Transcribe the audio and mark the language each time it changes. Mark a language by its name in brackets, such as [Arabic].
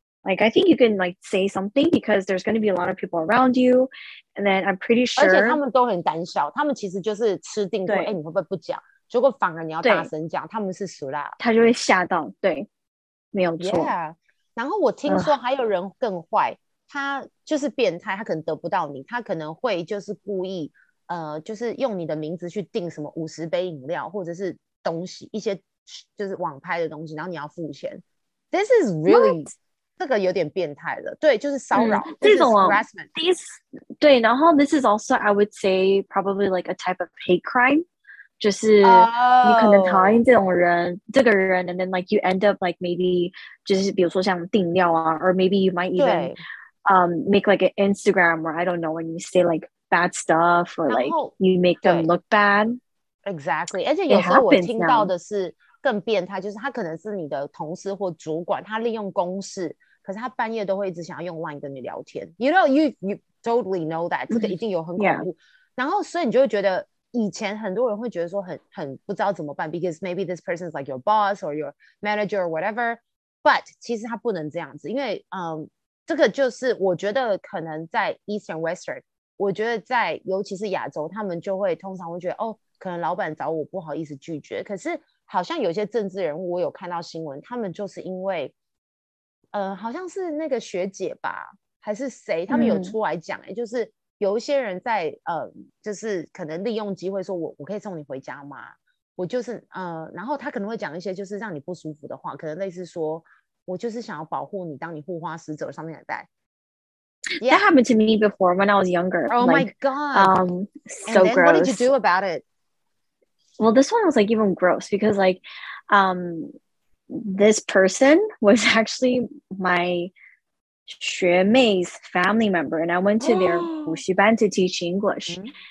[English] Like I think you can like say something because there's going to be a lot of people around you, and then I'm pretty sure. [Chinese] 而且他们都很胆小，他们其实就是吃定说，诶，你会不会不讲？结果反而你要大声讲，他们是熟啦，他就会吓到。对，没有错。 [English] Yeah. [Chinese] 然后我听说还有人更坏，他就是变态，他可能得不到你，他可能会就是故意。就是用你的名字去订什么50杯饮料或者是东西一些就是网拍的东西然后你要付钱 [English] This is really、 What? [Chinese] 这个有点变态的对就是骚扰、这种、 [English] harassment this, [Chinese] 对然后 [English] this is also I would say probably like a type of hate crime [Chinese] 就是你可能讨厌这种人、这个人 [English] and then like you end up like maybe [Chinese] 就是比如说像订料啊 [English] or maybe you might even、make like an Instagram or I don't know when you say likeBad stuff, or like you make them look bad. Exactly. [Chinese] 而且有时候我听到的是更变态，就是他可能是你的同事或主管，他利用公事，可是他半夜都会一直想要用 LINE 跟你聊天。 [English] You know, you totally know that. [Chinese] 这个一定有很恐怖。然后所以你就会觉得以前很多人会觉得说很不知道怎么办 ， [English] because maybe this person is like your boss or your manager or whatever. But [Chinese] 其实他不能这样子，因为这个就是我觉得可能在 Eastern Western。我觉得在尤其是亚洲他们就会通常会觉得哦，可能老板找我不好意思拒绝可是好像有些政治人物我有看到新闻他们就是因为好像是那个学姐吧还是谁他们有出来讲、就是有一些人在就是可能利用机会说我可以送你回家吗我就是然后他可能会讲一些就是让你不舒服的话可能类似说我就是想要保护你当你护花使者上面来 [English] Yeah. That happened to me before when I was younger. Oh like, my god. So then, gross. What did you do about it? Well, this one was like even gross because like this person was actually my 学妹's family member and I went to their 补习班 to teach English. Mm-hmm.